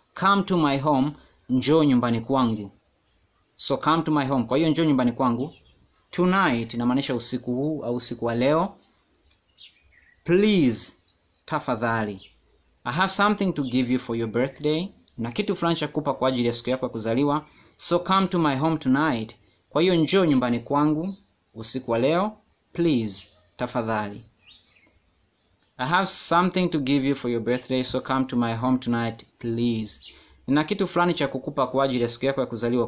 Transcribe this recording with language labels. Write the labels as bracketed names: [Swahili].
[English] Come to my home, [Swahili] njoo nyumbani kwangu. [English] So come to my home, [Swahili] kwa hiyo njoo nyumbani kwangu. Tonight inamaanisha usiku huu au usiku wa leo. Please, tafadhali. [English] I have something to give you for your birthday. [Swahili] Na kitu fulani cha kupa kwa ajili ya siku yako ya kuzaliwa. [English] So come to my home tonight. [Swahili] Kwa hiyo njoo nyumbani kwangu usiku wa leo. [English] Please, tafadhali. I have something to give you for your birthday, so come to my home tonight, please. [Swahili] Nina kitu fulani cha kukupa kwa ajili ya siku yako ya kuzaliwa.